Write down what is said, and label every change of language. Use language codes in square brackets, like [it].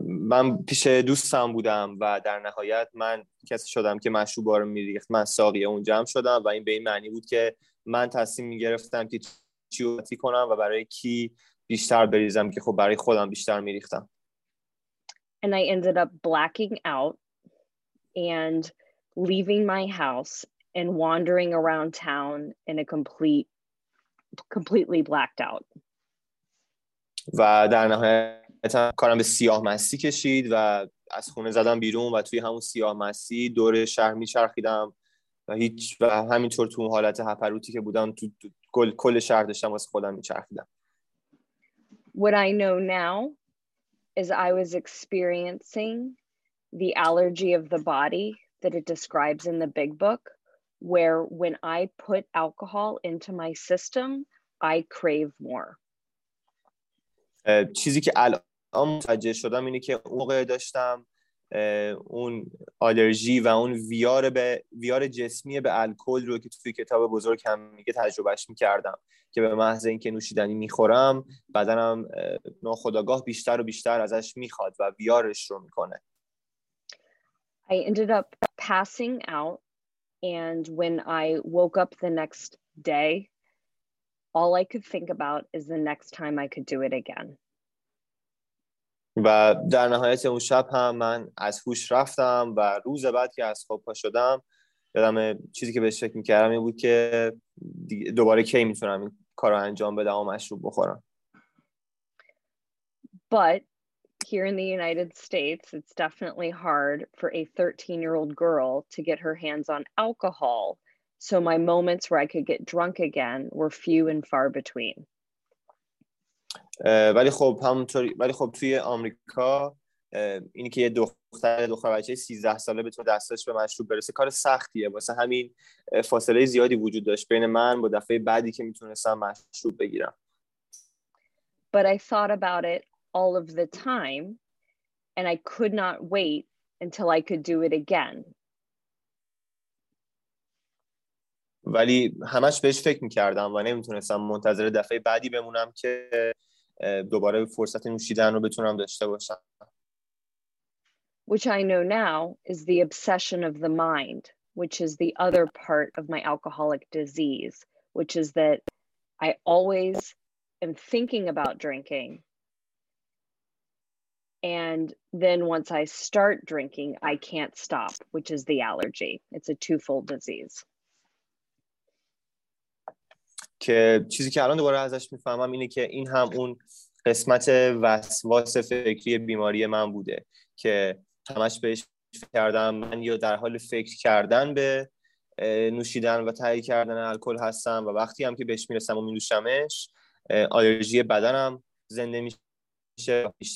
[fa] من پیش دوستم بودم و در نهایت من کسی شدم که مشروب رو می‌ریخت. من ساقی اون جمع شدم و این به این معنی بود که من تصمیم می‌گرفتم که چی اوتی کنم و برای کی بیشتر بریزم که خب برای خودم بیشتر می‌ریختم. [en] And I ended up blacking out and leaving my house and wandering around town in a completely blacked out. [fa] و در نهایت کارم به سیاه مسی کشید و از خونه زدم بیرون و توی همون سیاه مسی دور شهر میچرخیدم و هیچ و همینطور تو حالت هپروتی که بودم تو کل شهر داشتم واسه خودم میچرخیدم. [en] What I know now is I was experiencing the allergy of the body that it describes in the big book, where when I put alcohol into my system, I crave more. [fa] چیزی که الان متوجه شدم اینه که اون موقع داشتم اون آلرژی و اون ویار جسمی به الکل رو که توی کتاب بزرگ هم میگه تجربهش میکردم که به محض اینکه نوشیدنی میخورم بدنم ناخودآگاه بیشتر و بیشتر ازش میخواد و ویارش رو میکنه. [en] I ended up passing out, and when I woke up the next day, all I could think about is the next time I could do it again. [fa] و در نهایت اون شب هم من از هوش رفتم و روز بعد که از خواب پا شدم یادم چیزی که بهش فکر می‌کردم این بود که دوباره کی میتونم این کارو انجام بدم و مشروب بخورم. [en] But here in the United States, it's definitely hard for a 13-year-old girl to get her hands on alcohol. So my moments where I could get drunk again were few and far between. [fa] ولی خب توی آمریکا اینی که یه دختر بچه 13 ساله بتونه دستش به مشروب برسه کار سختیه. واسه همین فاصله زیادی وجود داشت بین من با دفعه بعدی که میتونستم مشروب بگیرم. [en] But I thought about it all of the time and I could not wait until I could do it again. [fa] ولی همش بهش فکر می‌کردم و نمی‌تونستم منتظر دفعه بعدی بمونم که دوباره فرصت نوشیدن رو بتونم داشته باشم. [en] Which I know now is the obsession of the mind, which is the other part of my alcoholic disease, which is that I always am thinking about drinking. And then once I start drinking, I can't stop, which is the allergy. It's a twofold disease. [fa] که چیزی که الان دوباره ازش میفهمم اینه که این هم اون قسمت وسواس فکری بیماری من بوده که همش بهش فکر کردم من یا در حال فکر کردن به نوشیدن و تهی کردن الکل هستم و وقتی هم که بهش میرسم و مینوشمش آلرژی بدنم زنده میشه